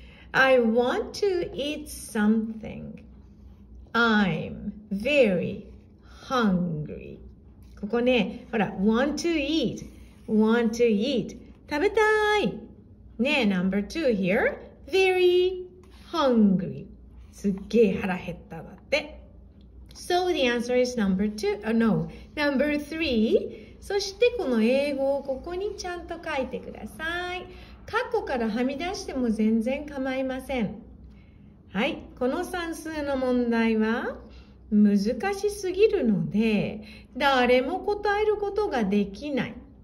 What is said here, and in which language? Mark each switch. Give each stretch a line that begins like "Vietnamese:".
English: I want to eat something. I'm very hungry.
Japanese: ここね、ほら、
English: want to eat. Want to eat.
Japanese: 食べたい。
English: ね、number two here. Very hungry.
Japanese: すっげー腹減っただって。
English: So the answer is number two. Oh no. Number three.
Japanese: そしてこの英語をここにちゃんと書いてください。括弧からはみ出しても全然構いません。はい。この算数の問題は難しすぎるので誰も答えることができない。